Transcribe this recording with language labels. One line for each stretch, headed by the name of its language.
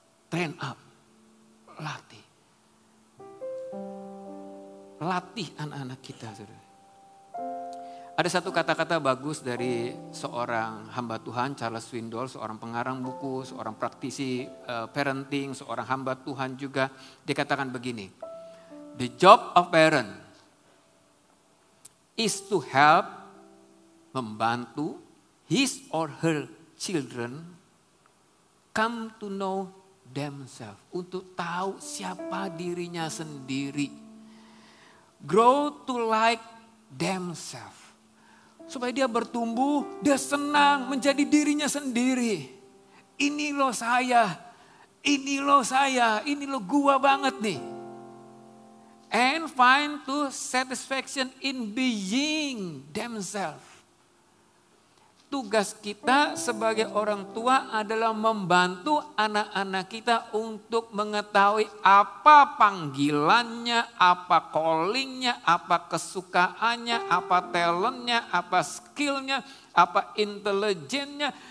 English: Train up, latih.
Indonesian: Latih anak-anak kita, saudara. Ada satu kata-kata bagus dari seorang hamba Tuhan, Charles Swindoll, seorang pengarang buku, seorang praktisi parenting, seorang hamba Tuhan juga.
English: Dia katakan begini, "The job of parent is to help, membantu his or her children come to know themselves,"
Indonesian: untuk tahu siapa dirinya sendiri.
English: "Grow to like themselves,"
Indonesian: supaya dia bertumbuh, dia senang menjadi dirinya sendiri. Ini lo saya, ini lo saya, ini lo gua banget nih.
English: "And find to satisfaction in being themselves."
Indonesian: Tugas kita sebagai orang tua adalah membantu anak-anak kita untuk mengetahui apa panggilannya, apa callingnya, apa kesukaannya, apa talentnya, apa skillnya, apa intelijennya.